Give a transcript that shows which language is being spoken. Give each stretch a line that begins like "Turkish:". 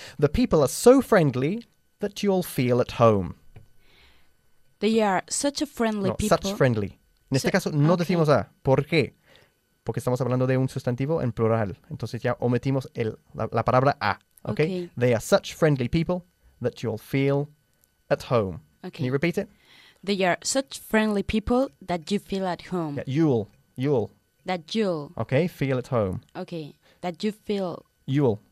English: The people are so friendly that you'll feel at home. They are such a friendly people. Such friendly.
Spanish: En este caso, no decimos a. ¿Por qué? Porque estamos hablando de un sustantivo en plural. Entonces ya omitimos la palabra a. Okay?
English: Okay. They are such friendly people that you'll feel at home. Okay. Can you repeat it? They are such friendly people that you feel at home. Yeah, you'll. That you'll. Okay, feel at home. Okay, that you feel. You'll.